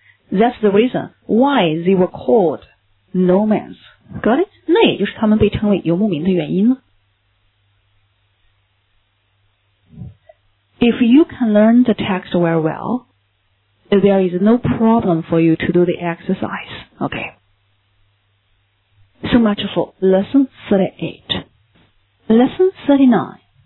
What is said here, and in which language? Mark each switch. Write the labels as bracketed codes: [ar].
[en] That's the reason why they were called nomads. Got it? [zh] 那也就是他们被称为游牧民的原因了。 [en] If you can learn the text very well, there is no problem for you to do the exercise. OK. So much for lesson 38. Lesson 39.